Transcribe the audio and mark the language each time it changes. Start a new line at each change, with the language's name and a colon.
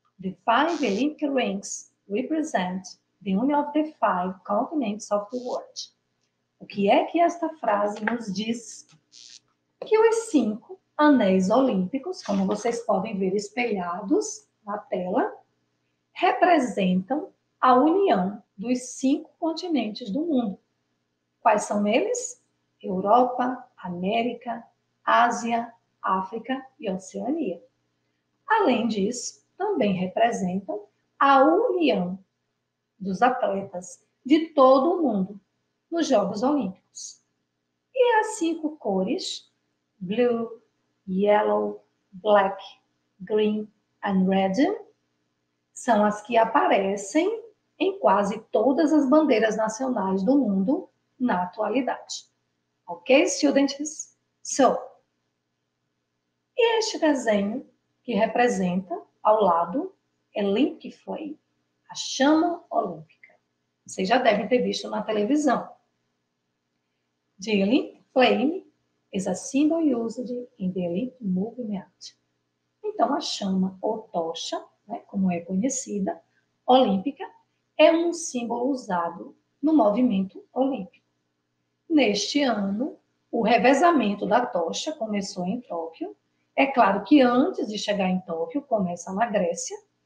English: The five Olympic rings represent the union of the five continents of the world.
Portuguese: O que é que esta frase nos diz? Que os cinco anéis olímpicos, como vocês podem ver espelhados na tela, representam a união dos cinco continentes do mundo. Quais são eles? Europa, América, Ásia, África e Oceania. Além disso, também representam a união dos atletas de todo o mundo nos Jogos Olímpicos. E as cinco cores,
English: blue, yellow, black, green and red,
Portuguese: são as que aparecem em quase todas as bandeiras nacionais do mundo na atualidade.
English: Ok, students?
Portuguese: So, este desenho que representa ao lado é Link Flay, a chama olímpica. Vocês já devem ter visto na televisão.
English: The Link Flame is a symbol used in the Link Movement.
Portuguese: Então, a chama ou tocha, né, como é conhecida, olímpica, é um símbolo usado no movimento olímpico. Neste ano, o revezamento da tocha começou em Tóquio. É claro que antes de chegar em Tóquio, começa na Grécia.